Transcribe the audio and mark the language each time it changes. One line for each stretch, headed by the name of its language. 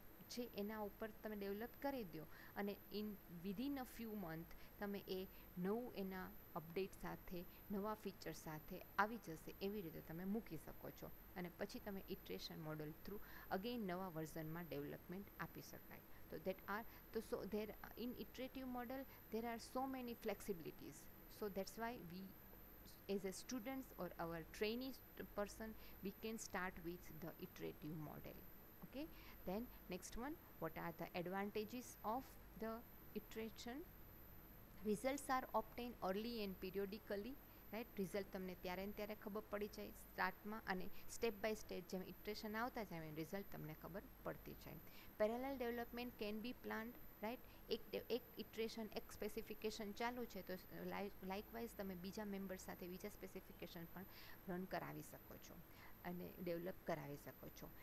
Gujarati: છે એના ઉપર તમે ડેવલપ કરી દો અને
English: in within a few month
Gujarati: તમે એ નવું એના અપડેટ સાથે નવા ફીચર સાથે આવી જશે એવી રીતે તમે મૂકી શકો છો અને પછી તમે ઇટરેશન મોડલ થ્રુ અગેઇન નવા વર્ઝનમાં ડેવલપમેન્ટ આપી શકાય તો દેટ આર તો
English: so there in iterative model
Gujarati: there are so many ફ્લેક્સિબિલિટીઝ so that's why we as a student or hour training person we can start with the iterative model
English: Okay, then next one, what are the advantages of the iteration? Results are obtained early and periodically.
Gujarati: Right, result તમને ત્યારે ને ત્યારે ખબર પડી જાય સ્ટાર્ટમાં, અને step by step જેમ iteration આવતા જાય એમ રિઝલ્ટ તમને ખબર પડતી જાય.
English: parallel development can be planned,
Gujarati: right? એક ઇટરેશન, એક સ્પેસિફિકેશન ચાલુ છે તો લાઇકવાઇઝ તમે બીજા મેમ્બર સાથે બીજા સ્પેસિફિકેશન પણ રન કરાવી શકો છો અને ડેવલપ કરાવી શકો છો.